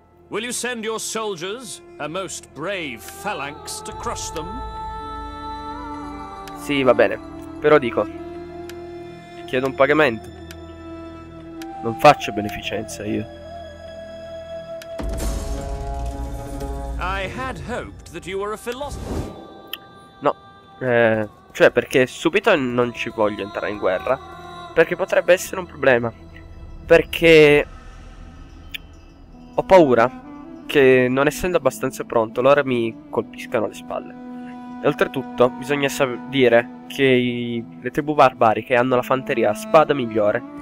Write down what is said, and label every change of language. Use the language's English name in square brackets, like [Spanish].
[English] Will you send your soldiers, a most brave phalanx, to crush them? [Italian] sì, va bene, però dico, chiedo un pagamento. Non faccio beneficenza io. [English] I had hoped that you were a philosopher. [Italian] Cioè, perché subito non ci voglio entrare in guerra, perché potrebbe essere un problema. Perché ho paura che, non essendo abbastanza pronto, loro mi colpiscano alle spalle. E oltretutto, bisogna dire che le tribù barbariche hanno la fanteria a spada migliore.